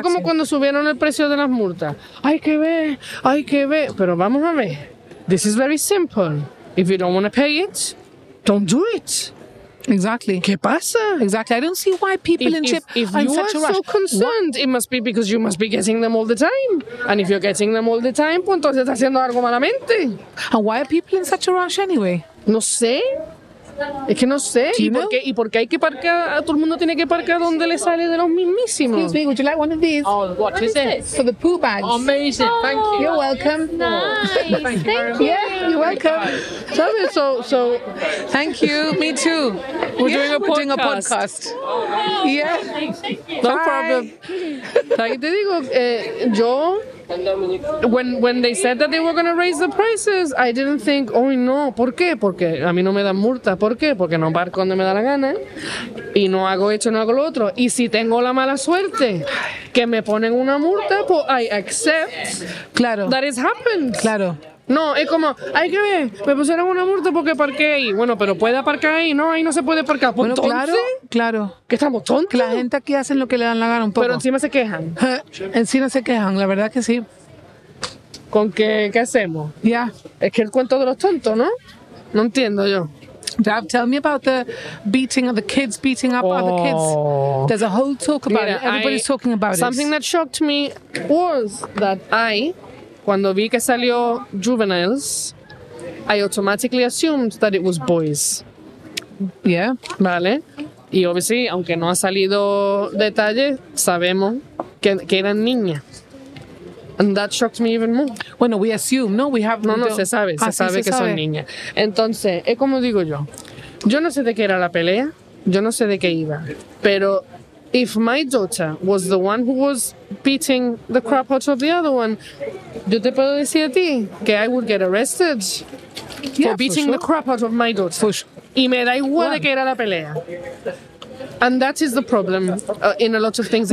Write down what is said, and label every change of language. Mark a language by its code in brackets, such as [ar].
[es] Eso como cuando subieron el precio de las multas. Hay que ver, pero vamos a ver. [en] This is very simple. If you don't want to pay it, don't do it. Exactly. [es] ¿Qué pasa? [en] Exactly. I don't see why people in Chip are in such a rush. If you are so concerned, what? It must be because you must be getting them all the time. And if you're getting them all the time, [es] pues entonces estás haciendo algo malamente. [en] And why are people in such a rush anyway? [es] No sé. Es que no sé. [en] Do you know? [es] ¿Y por qué hay que parcar? Todo el mundo tiene que parcar donde le sale de los mismísimos. [en] Excuse me, would you like one of these? Oh, what is it? For the poo bags. Amazing, oh, thank you. You're welcome. Nice. Thank you. Yeah, you're welcome. [es] ¿Sabes? So, [en] thank you. Me too. We're, yeah, doing, a we're doing a podcast. Oh, wow. Yeah. No, bye. [es] Problem. Aquí te digo, yo. [en] When they said that they were going to raise the prices, I didn't think, oh no, [es] ¿por qué? Porque a mí no me dan multa, ¿por qué? Porque no parco donde me da la gana y no hago esto, no hago lo otro. Y si tengo la mala suerte que me ponen una multa, pues [en] I accept, [es] claro, [en] that it's happened. [es] Claro. No, es como, hay que ver, me pusieron una multa porque parqué ahí. Bueno, pero puede aparcar ahí, ¿no? Ahí no se puede aparcar. Bueno, ¿entonces? Claro, claro. ¿Que estamos tontos? Que la gente aquí hacen lo que le dan la gana un poco. Pero encima se quejan. Encima se quejan, la verdad que sí. ¿Con qué hacemos? Ya. [en] Yeah. [es] Es que el cuento de los tontos, ¿no? No entiendo yo. [en] Dav, tell me about the beating of the kids, beating up, oh, other kids. There's a whole talk about, [es] mira, [en] it. Everybody's talking about something it. Something that shocked me was that I... [es] Cuando vi que salió juveniles, [en] I automatically assumed that it was boys. Yeah. [es] Vale. Y [en] obviously, [es] aunque no ha salido detalle, sabemos que eran niñas. [en] And that shocked me even more. [es] Bueno, [en] we assume, no? We have... [es] No, no, se sabe. Ah, se sabe, sí, que se sabe. Son niñas. Entonces, es como digo yo. Yo no sé de qué era la pelea. Yo no sé de qué iba. Pero... [en] If my daughter was the one who was beating the crap out of the other one, [es] yo te puedo decir a ti que [en] I would get arrested, yeah, for beating, for sure, the crap out of my daughter. For sure. [es] Y me da igual de que era la pelea. [en] And that is the problem in a lot of things